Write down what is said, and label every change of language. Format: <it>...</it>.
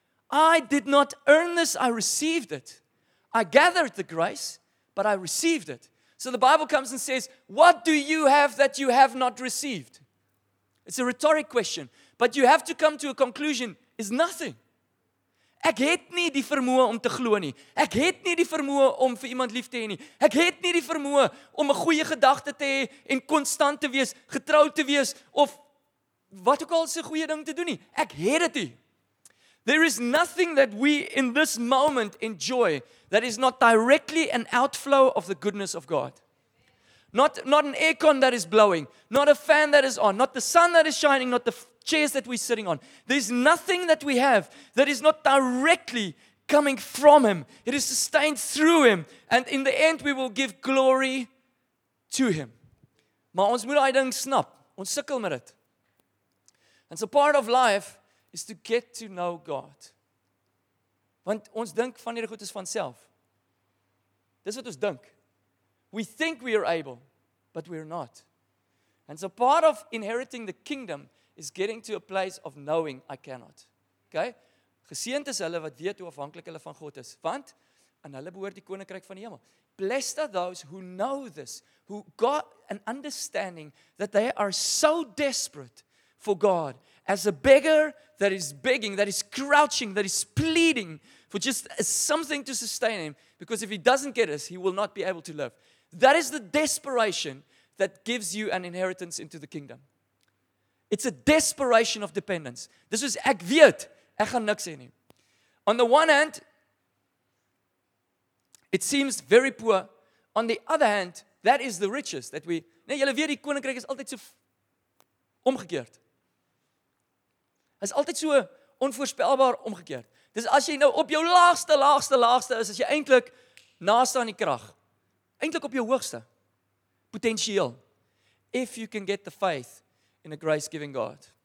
<en>I did not earn this, I received it. I gathered the grace, but I received it. So the Bible comes and says, what do you have that you have not received? It's a rhetoric question. But you have to come to a conclusion, is nothing.</en> <af>Ek het nie die vermoë om te glo nie. Ek het nie die vermoë om vir iemand lief te hê nie. Ek het nie die vermoë om 'n goeie gedagte te hê en konstant te wees, getrou te wees of wat ook al se goeie ding te doen nie. Ek het dit nie.</af> <en>There is nothing that we in this moment enjoy that is not directly an outflow of the goodness of God. Not an aircon that is blowing, not a fan that is on, not the sun that is shining, not the chairs that we're sitting on. There's nothing that we have that is not directly coming from Him. It is sustained through Him. And in the end, we will give glory to Him.</en> <af>Maar ons moet daai ding snap. Ons sukkel met dit.</af> <en>And so part of life is to get to know God.</en> <af>Want ons dink van hierdie goed is van self. Dis wat ons dink.</af> <en>We think we are able, but we are not. And so part of inheriting the kingdom is getting to a place of knowing I cannot. Okay?</en> <af>Geseend is hulle wat weet hoe afhanklik hulle van God is, want aan hulle behoort die koninkryk van die hemel.</af> <en>Blessed are those who know this, who got an understanding that they are so desperate for God, as a beggar that is begging, that is crouching, that is pleading for just something to sustain him, because if he doesn't get us, he will not be able to live. That is the desperation that gives you an inheritance into the kingdom. It's a desperation of dependence. This is</en> <af>ek weet, ek gaan niks hê nie.</af> <en>On the one hand, it seems very poor. On the other hand, that is the riches that we...</en> <af>Nee, julle weet, die koninkryk is altyd so omgekeerd. Is altyd so onvoorspelbaar omgekeerd. Dis as jy nou op jou laagste is, as jy eintlik naaste aan die krag, eintlik op jou hoogste potensieel.</af> <en>If you can get the faith in a grace-giving God.</en>